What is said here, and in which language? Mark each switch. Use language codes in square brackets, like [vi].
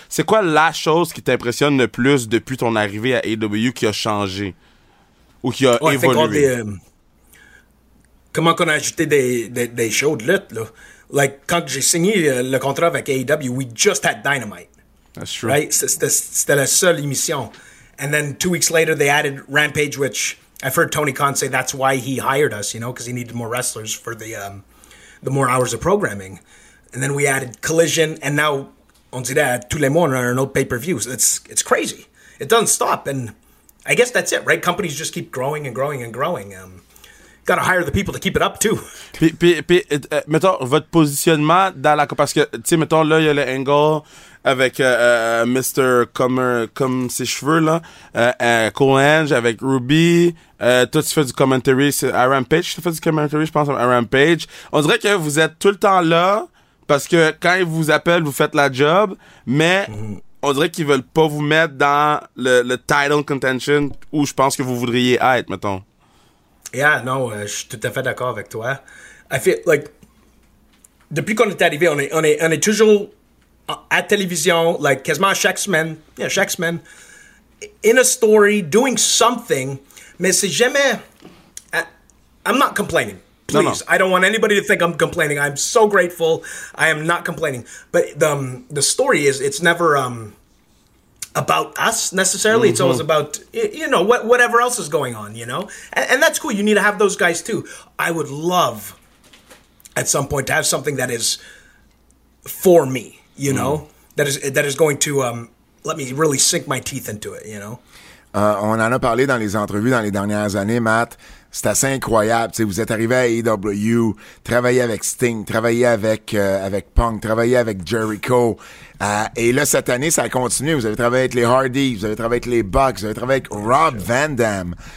[fr] C'est quoi la chose qui t'impressionne le plus depuis ton arrivée à AEW qui a changé ou qui a évolué? Comment qu'on a ajouté des shows de lutte, là? Like, quand j'ai signé le contrat avec AEW, [en] we just had Dynamite. That's true. Right? [fr] C'était la seule émission. [en] And then 2 weeks later, they added Rampage, which I've heard Tony Khan say that's why he hired us, you know, because he needed more wrestlers for the more hours of programming. And then we added Collision, and now, [fr] on dirait, tous les mois, on a un autre pay-per-view. [en] So it's crazy. It doesn't stop. And I guess that's it, right? Companies just keep growing and growing and growing. Gotta hire the people to keep it up too. [fr] Puis, mettons votre positionnement dans la, parce que tu sais, mettons là, il y a le angle avec Mr. comme ses cheveux là, Cole Ange avec Ruby. Toi, tu fais du commentary, c'est à Rampage. Tu fais du commentary, je pense à Rampage. On dirait que vous êtes tout le temps là parce que quand ils vous appellent, vous faites la job, mais on dirait qu'ils veulent pas vous mettre dans le title contention où je pense que vous voudriez être, mettons. [en] Yeah, no, [fr] je suis tout à fait d'accord avec toi. [en] I feel like, [fr] depuis qu'on est arrivé, on est toujours à télévision, like, quasiment chaque semaine, [en] in a story, doing something, [fr] mais c'est jamais... [en] I'm not complaining, please. No. I don't want anybody to think I'm complaining. I'm so grateful. I am not complaining. But the story is, it's never... about us necessarily. Mm-hmm. It's always about, you know, whatever else is going on, you know? And that's cool. You need to have those guys too. I would love at some point to have something that is for me, you know? That is going to let me really sink my teeth into it, you know? [fr] On en a parlé dans les entrevues dans les dernières années, Matt. C'est assez incroyable. T'sais, vous êtes arrivé à AEW, travaillé avec Sting, travaillé avec Punk, travaillé avec Jericho. Et là, cette année, ça a continué. Vous avez travaillé avec les Hardys, vous avez travaillé avec les Bucks, vous avez travaillé avec Rob Van Dam.